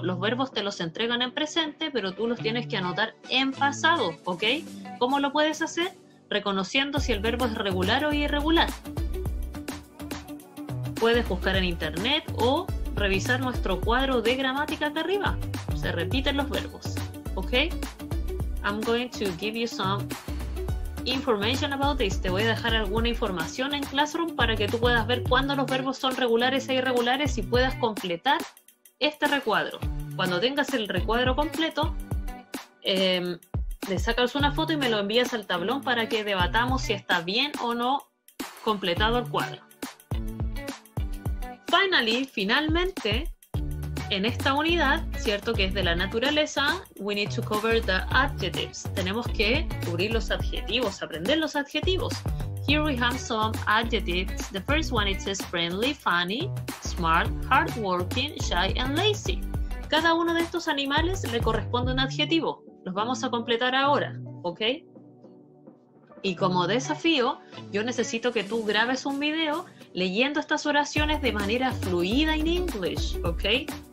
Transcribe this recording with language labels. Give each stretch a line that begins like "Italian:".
Spanish: Los verbos te los entregan en presente, pero tú los tienes que anotar en pasado, ¿ok? ¿Cómo lo puedes hacer? Reconociendo si el verbo es regular o irregular. Puedes buscar en internet o revisar nuestro cuadro de gramática acá arriba. Se repiten los verbos, ¿ok?
English: I'm going to give you some information about this.
Spanish: Te voy a dejar alguna información en Classroom para que tú puedas ver cuándo los verbos son regulares e irregulares y puedas completar este recuadro. Cuando tengas el recuadro completo, le sacas una foto y me lo envías al tablón para que debatamos si está bien o no completado el cuadro.
English: Finally,
Spanish: finalmente, en esta unidad, cierto que es de la naturaleza,
English: we need to cover the adjectives.
Spanish: Tenemos que cubrir los adjetivos, aprender los adjetivos.
English: Here we have some adjectives. The first one, it says friendly, funny, smart, hardworking, shy and lazy.
Spanish: Cada uno de estos animales le corresponde un adjetivo. Los vamos a completar ahora, ¿ok? Y como desafío, yo necesito que tú grabes un video leyendo estas oraciones de manera fluida
English: in English,
Spanish: ¿ok?